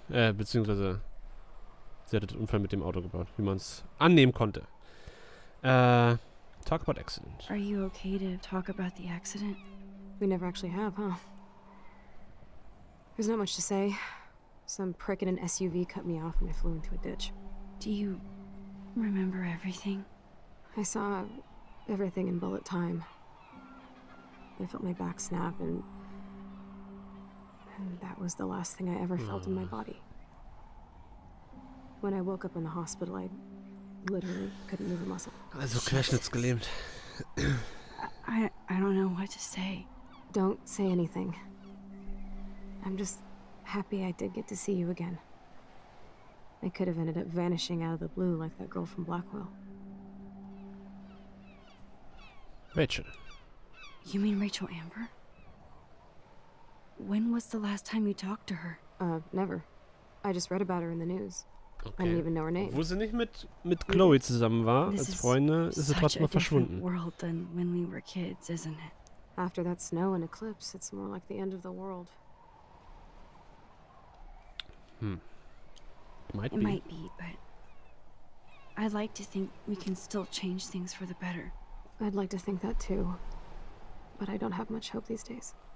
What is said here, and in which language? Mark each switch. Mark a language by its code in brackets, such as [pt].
[de] Beziehungsweise sie hatte den Unfall mit dem Auto gebaut, wie man es annehmen konnte. [en] Talk about accident. Are you okay to talk about the accident? We never actually have, huh? There's not much to say. Some prick in an SUV cut me off and I flew into a ditch. Do you remember everything? I saw everything in bullet time. I felt my back snap and... And that was the last thing I ever felt in my body. When I woke up in the hospital, I literally couldn't move a muscle. [de] Also, querschnittsgelähmt. [en] I don't know what to say. Don't say anything. I'm just happy I did get to see you again. I could have ended up vanishing out of the blue like that girl from Blackwell. Rachel. You mean Rachel Amber? When was the last time you talked to her? Never. I just read about her in the news. Okay. I didn't even know her name. [de] Wo sie nicht mit Chloe zusammen war, als Freunde, ist sie trotzdem verschwunden. [en] World than when we were kids, isn't it? After that snow and eclipse, it's more like the end of the world. It might be, but I'd like to think we can still change things for the better. I'd like to think that too, but I don't have much hope these days.